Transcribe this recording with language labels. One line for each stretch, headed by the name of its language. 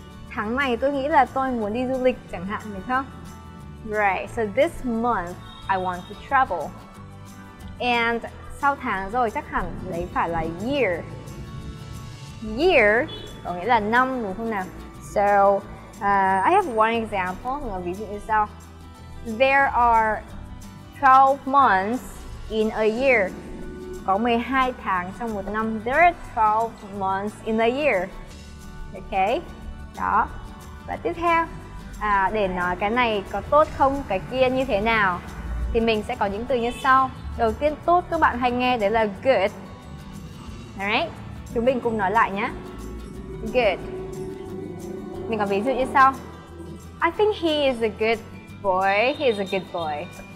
Vietnamese: Tháng này tôi nghĩ là tôi muốn đi du lịch chẳng hạn, đúng không?
English: Right, so this month I want to travel.
Vietnamese: And sau tháng rồi chắc hẳn lấy phải là year. Year có nghĩa là năm đúng không nào?
English: So I have one example,
Vietnamese: mình có ví dụ như sau.
English: There are 12 months in a year.
Vietnamese: Có 12 tháng trong một năm.
English: There are 12 months in a year. Okay. Đó.
Vietnamese: Và tiếp theo, để nói cái này có tốt không, cái kia như thế nào thì mình sẽ có những từ như sau. Đầu tiên tốt các bạn hay nghe đấy là good. Alright, chúng mình cùng nói lại nhé.
English: Good.
Vietnamese: Mình có ví dụ như sau.
English: I think he is a good boy. He is a good boy.